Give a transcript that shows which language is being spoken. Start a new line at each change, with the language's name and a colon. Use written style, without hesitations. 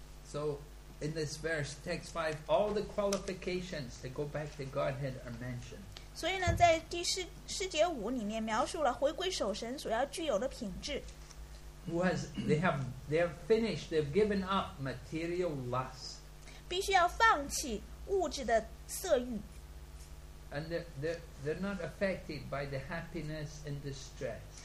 English: So, in this verse, text 5, all the qualifications to go back to Godhead are mentioned.
Chinese: 所以呢，在第十节五里面描述了回归守神所要具有的品质。
English: They have finished, they've given up material lust.
Chinese: 必须要放弃物质的色欲。
English: And they're not affected by the happiness and distress.